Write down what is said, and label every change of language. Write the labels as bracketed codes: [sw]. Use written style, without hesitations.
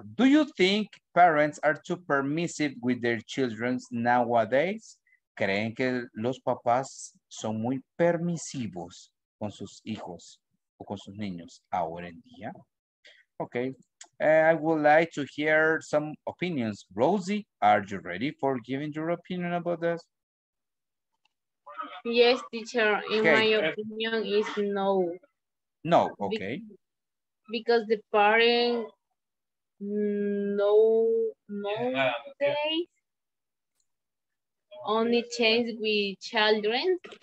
[en] Do you think parents are too permissive with their children nowadays? [es] ¿Creen que los papás son muy permisivos con sus hijos o con sus niños ahora en día? [en] Okay, I would like to hear some opinions. Rosie, are you ready for giving your opinion about this? Yes, teacher. Okay. In my opinion, is no. No. Okay. Because the parent nowadays only change with children.